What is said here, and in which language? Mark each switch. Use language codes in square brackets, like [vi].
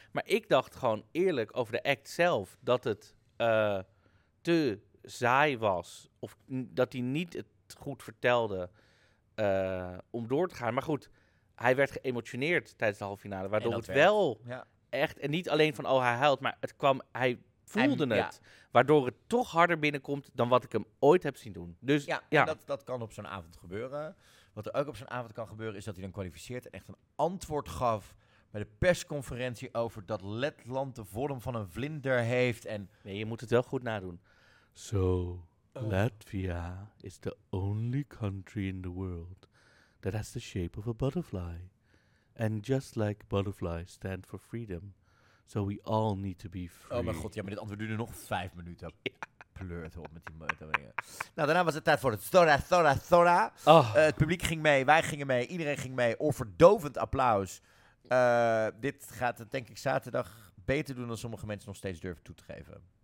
[nl] Maar ik dacht gewoon eerlijk over de act zelf, dat het te saai was, of dat hij niet het goed vertelde om door te gaan. Maar goed, hij werd geëmotioneerd tijdens de halve finale, waardoor het wel echt, en niet alleen van oh hij huilt, maar het kwam, hij voelde het, waardoor het toch harder binnenkomt dan wat ik hem ooit heb zien doen. Dus ja, ja. En dat kan op zo'n avond gebeuren. Wat er ook op zo'n avond kan gebeuren is dat hij dan kwalificeert en echt een antwoord gaf bij de persconferentie over dat Letland de vorm van een vlinder heeft en. Nee, je moet het wel goed nadoen. [en] So, Latvia is the only country in the world that has the shape of a butterfly. And just like butterflies stand for freedom, so we all need to be free. [nl] Oh mijn god, ja, maar dit antwoord duurde nog 5 minuten. Pleurt op met die motorwingen. Nou, daarna was het tijd voor het Thora. Oh. Het publiek ging mee, wij gingen mee, iedereen ging mee. Oorverdovend applaus. Dit gaat het denk ik zaterdag beter doen dan sommige mensen nog steeds durven toe te geven.